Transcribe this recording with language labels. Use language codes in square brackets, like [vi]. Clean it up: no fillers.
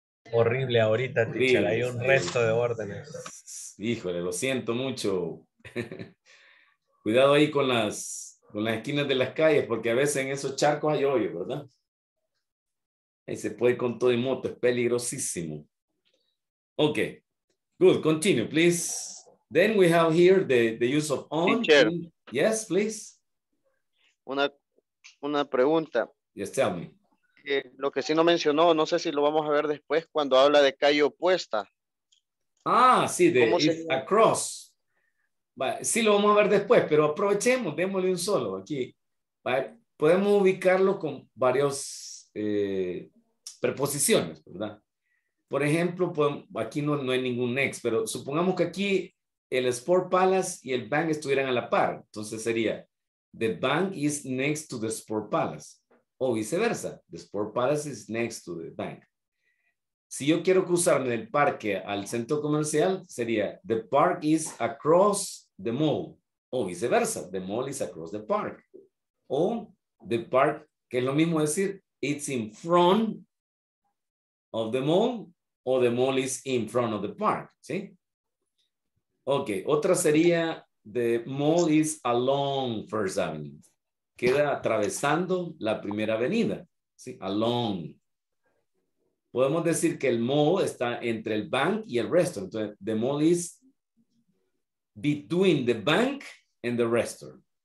[es] Horrible ahorita, teacher. Horrible, hay un resto de órdenes. Híjole, lo siento mucho. Cuidado ahí con las esquinas de las calles, porque a veces en esos charcos hay hoyo, ¿verdad? Ahí se puede ir con todo y moto, es peligrosísimo. [en] Ok, good, continue, please. Then we have here the use of on. Teacher. Yes, please. [es] Una pregunta. [en] Yes, tell me. [es] Lo que sí no mencionó, no sé si lo vamos a ver después cuando habla de calle opuesta. Ah, sí, de across. Sí lo vamos a ver después, pero aprovechemos, démosle un solo aquí. Podemos ubicarlo con varias preposiciones, ¿verdad? Por ejemplo, aquí no hay ningún next, pero supongamos que aquí el Sport Palace y el Bank estuvieran a la par. Entonces sería, [en] the Bank is next to the Sport Palace. [es] O viceversa, [en] the Sport Palace is next to the bank. [es] Si yo quiero cruzarme del parque al centro comercial, sería [en] the park is across the mall. [es] O viceversa, [en] the mall is across the park. O the park, [es] que es lo mismo decir, [en] it's in front of the mall, o the mall is in front of the park. ¿Sí? Ok, [es] otra sería [en] the mall is along First Avenue. [es] Queda atravesando la primera avenida, ¿sí? [en] Along. [es] Podemos decir que el mall está entre el bank y el restaurant. Entonces, [en] the mall is between the bank and the restaurant.